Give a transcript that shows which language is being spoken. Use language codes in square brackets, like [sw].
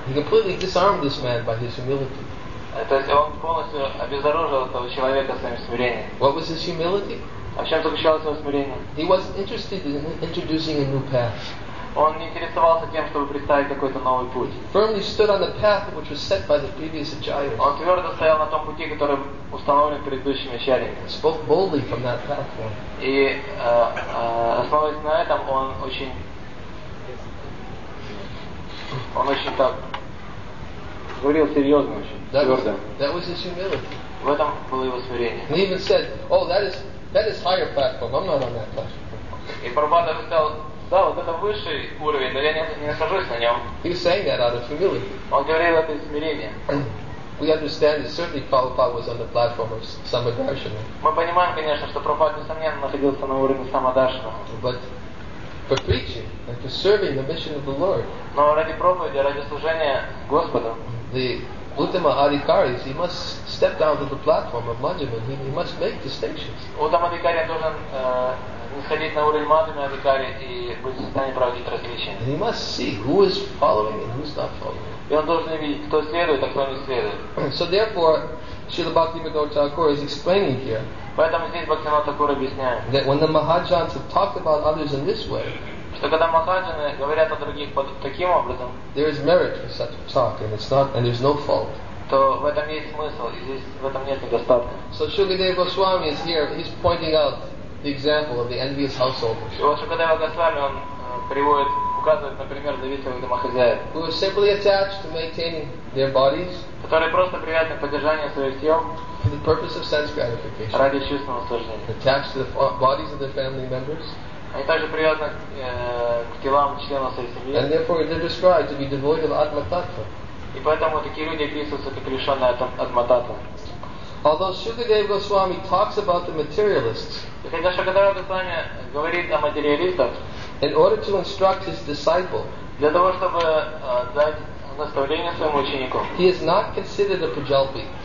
[en] He completely disarmed this man by his humility. [ru] То есть он полностью обезоружил этого человека своим смирением. [en] What was his humility? [ru] А в чем заключалось его смирение? [en] He wasn't interested in introducing a new path. [ru] Он не интересовался тем, чтобы представить какой-то новый путь. [en] Firmly stood on the path which was set by the previous acharya. [ru] Он твердо стоял на том пути, который установлен предыдущими ачарьями. [en] Spoke boldly from that platform. [ru] И основываясь на этом, он очень так говорил серьезно, очень твердо. [en] That was his humility. [ru] В этом было его смирение. [en] And he even said, "Oh, that is higher platform. I'm not on that platform." [ru] И Прабхупада сказал. Да, вот это высший уровень, но я не нахожусь на нем. [en] He was saying that out of humility. [ru] Он говорил это из смирения. [en] We understand that certainly Prabhupada was on the platform of Samadarshana. [ru] Мы понимаем, конечно, что Прабхупада, несомненно, находился на уровне Самадаршана. [en] But for preaching and for serving the mission of the Lord. [ru] Но ради проповеди, ради служения Господу. [en] The Uttama Adhikaris, he must step down to the platform of Madhyaman. He must make distinctions. [ru] Uttama Adhikari должен сходить на уровень Мадхима Адхикари и быть в состоянии проводить различия. [en] He must see who is following and who is not following. [ru] И он должен видеть, кто следует, а кто не следует. [en] So therefore, Srila Bhaktivinoda Thakura is explaining here. [ru] Поэтому здесь Бхактивинода Такура объясняет. [en] That when the Mahajans have talked about others in this way, [ru] что когда Махаджаны говорят о других таким образом, [en] there is merit in such a talk, and it's not, and there's no fault. [ru] То в этом есть смысл, и здесь в этом нет недостатка. [en] So Shukadeva Goswami is here. He's pointing out the example of the envious householder. [ru] Шукадева Госвами, он приводит, указывает, например, завистливых домохозяев. [en] Who are simply attached to maintaining their bodies. [ru] Которые просто привязаны к поддержанию своих тел. [en] For the purpose of sense gratification. [ru] Ради чувственного наслаждения. [en] Attached to the bodies of their family members. [ru] Они также привязаны к телам членов своей семьи. [en] And therefore they're described to be devoid of атма-таттва. [ru] И поэтому такие люди описываются как лишенные атма-таттва. [en] Although Shukadeva Goswami talks about the materialists, in order to instruct his disciple, he is not considered a prajalpi.